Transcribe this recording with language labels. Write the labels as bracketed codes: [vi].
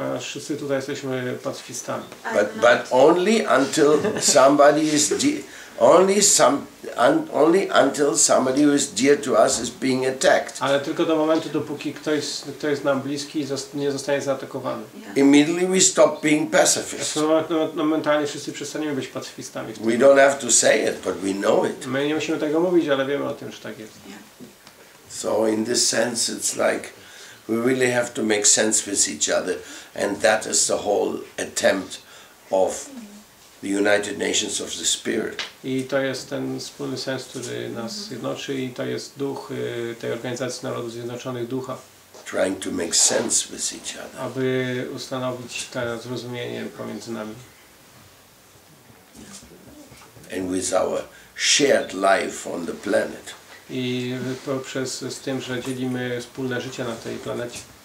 [pl] Wszyscy tutaj jesteśmy pacyfistami. [en] But only until somebody is only until somebody who is dear to us is being attacked. [pl] Ale tylko do momentu, dopóki ktoś jest nam bliski, nie zostaje zaatakowany. [en] Yeah. Immediately we stop being pacifists. [pl] Momentalnie wszyscy przestaniemy być pacyfistami. [en] We don't have to say it, but we know it. [pl] My nie musimy tego mówić, ale wiemy o tym, że tak jest. [en] So in this sense, it's like we really have to make sense with each other, and that is the whole attempt of the United Nations of the Spirit. [pl] I to jest ten wspólny sens, który nas jednoczy, i to jest duch tej Organizacji Narodów Zjednoczonych, ducha. [en] Trying to make sense with each other. [pl] Aby ustanowić to zrozumienie pomiędzy nami. [en] And with our shared life on the planet. [pl] I poprzez z tym, że dzielimy wspólne życie na tej planecie.